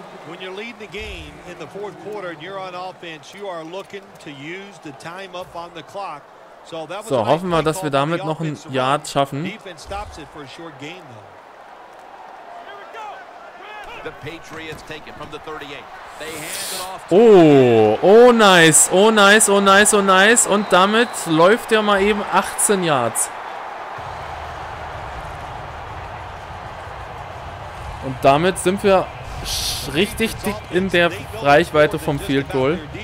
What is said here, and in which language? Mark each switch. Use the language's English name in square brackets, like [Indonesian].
[English] When you're leading the game in the fourth quarter and you're on offense, you are looking to use the time up on the clock. So, that was so, [German] hoffen wir, dass wir damit noch ein Yard schaffen. [English] Defense stops it for a short game, though. The Patriots take it from the 38. They hand it off. Oh, oh nice, oh nice, oh nice, oh nice. [German] Und damit läuft er mal eben 18 Yards. Und damit sind wir richtig dick in der Reichweite vom Field Goal.